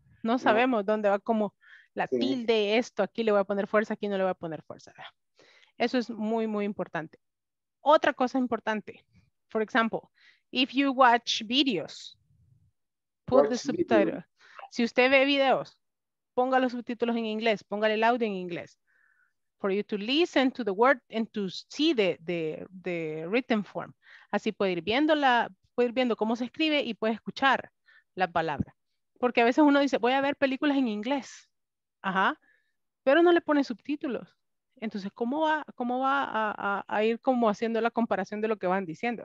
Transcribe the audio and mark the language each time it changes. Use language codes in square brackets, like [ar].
[es] No sabemos dónde va como... La tilde, esto, aquí le voy a poner fuerza, aquí no le voy a poner fuerza. Eso es muy, muy importante. Otra cosa importante. [en] For example, if you watch videos, put watch the subtitle. Video. [es] Si usted ve videos, ponga los subtítulos en inglés, póngale el audio en inglés. [en] For you to listen to the word and to see the written form. [es] Así puede ir viendo cómo se escribe y puede escuchar la palabra. Porque a veces uno dice, voy a ver películas en inglés. Ajá, pero no le pone subtítulos. Entonces, ¿cómo va a ir como haciendo la comparación de lo que van diciendo?